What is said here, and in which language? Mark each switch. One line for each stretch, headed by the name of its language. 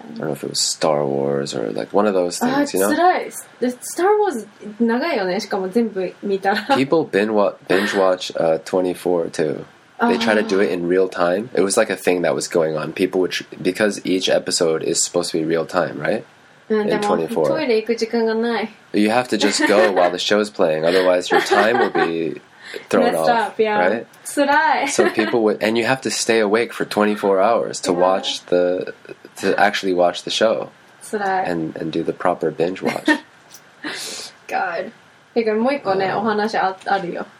English: I don't know if it was Star Wars or like one of those things, you know?
Japanese: The Star Wars, 長いよね。しかも全部見たら。
English: People binge watch 24 too. They try to do it in real time. It was like a thing that was going on. People would, because each episode is supposed to be real time, right? In 24.
Japanese: トイレ行く時間がない。
English: You have to just go while the show is playing, otherwise your time will be thrown off. Messed up, yeah. Right?
Japanese: 辛い。
English: So people would, and you have to stay awake for 24 hours to watch the, to actually watch the show.
Japanese: 辛い。
English: And do the proper binge watch. God.
Japanese: てかもう一個ね、お話あるよ。